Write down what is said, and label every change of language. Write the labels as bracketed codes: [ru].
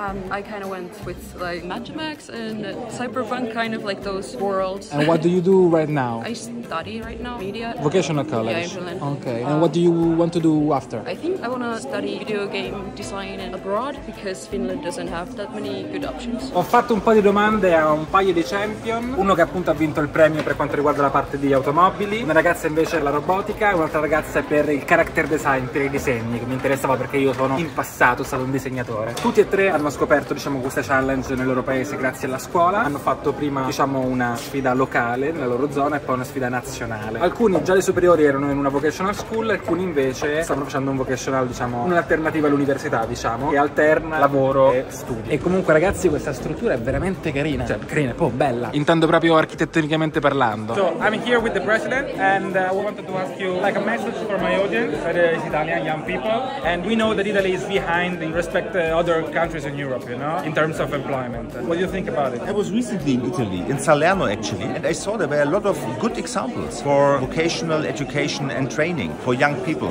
[en] I kind of went with like Mad Max and Cyberpunk, kind of like those worlds. And what do you do right now? I study right now. Media. Vocational college. Yeah, okay, and what do you want to do after? I think I want to study video game design abroad because Finland doesn't have that many good options. [it] Ho fatto un po' di domande a un paio di champion, uno che appunto ha vinto il premio per quanto riguarda la parte di automobili, una ragazza invece per la robotica e un'altra ragazza per il character design, per i disegni, che mi interessava perché io sono in passato stato un disegnatore. Tutti e tre hanno scoperto, diciamo, questa challenge nel loro paese grazie alla scuola. Hanno fatto prima, diciamo, una sfida locale nella loro zona e poi una sfida nazionale. Alcuni già alle superiori erano in una vocational school, alcuni invece stavano facendo un vocational, diciamo, un'alternativa all'università, diciamo, che alterna lavoro e studi. E comunque, ragazzi, questa struttura è veramente carina. Cioè, carina, poi bella. Intendo proprio architettonicamente parlando. [en] So, I'm here with the president and I wanted to ask you like a message for my audience, that is Italian young people, and we know that Italy is behind in respect to other countries in Europe, you know, in terms of employment. What do you think about it? I was recently in Italy, in Salerno actually, and I saw there were a lot of good examples for vocational education and training for young people.